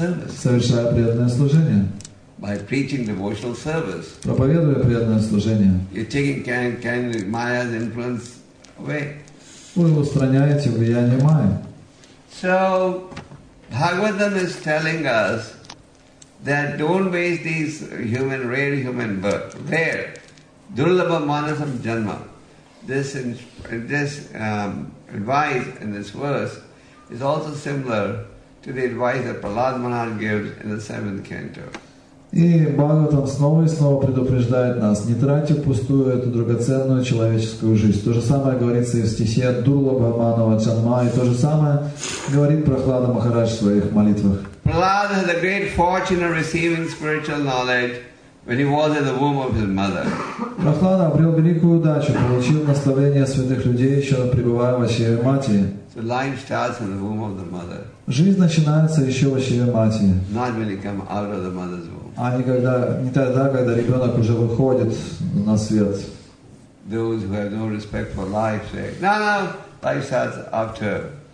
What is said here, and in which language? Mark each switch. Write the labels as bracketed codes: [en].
[ru] Совершая преданное служение. [en] By preaching devotional service. [ru] Проповедуя преданное служение. [en] You're taking can Maya's influence away. [ru] Вы устраняете влияние Майи. [en] So, Bhagavatam is telling us that don't waste these human, rare human birth. Rare. Durlabha manasam janma. This advice in this verse is also similar to the advice that Prahlad Maharaj gives in the 7th canto. [ru] И Бхагаватам снова и снова предупреждает нас, не тратьте впустую эту драгоценную человеческую жизнь. То же самое говорится и в стихе Дурлабха Манава Джанма, и то же самое говорит Прахлада Махарадж в своих молитвах. [en] Prahlad had a great fortune of receiving spiritual knowledge when he was in the womb of his mother. [ru] Прахлада обрел великую удачу, получил наставление святых людей, еще пребывая в чреве матери. [en] The life starts in the womb of the mother. [ru] Жизнь начинается еще в чреве матери. [en] Not when you come out of the mother's womb. [ru] А не тогда, когда ребенок уже выходит на свет. [en] Those who have no respect for life say, no, life starts after.